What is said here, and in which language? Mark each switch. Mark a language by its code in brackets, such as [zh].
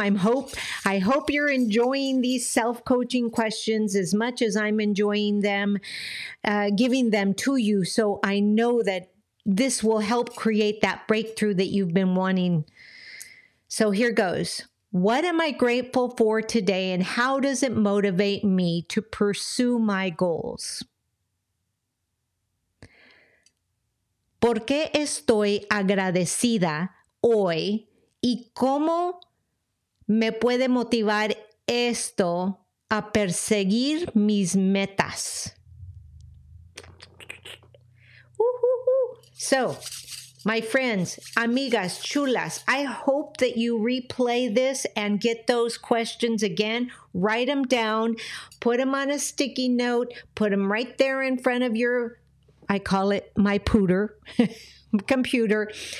[en] I hope you're enjoying these self-coaching questions as much as I'm enjoying them, giving them to you. So I know that this will help create that breakthrough that you've been wanting. So here goes. What am I grateful for today and how does it motivate me to pursue my goals? [es] ¿Por qué estoy agradecida hoy y cómo me puede motivar esto a perseguir mis metas? [en] So, my friends, [es] amigas, chulas, [en] I hope that you replay this and get those questions again. Write them down, put them on a sticky note, put them right there in front of your, I call it my pooter, computer.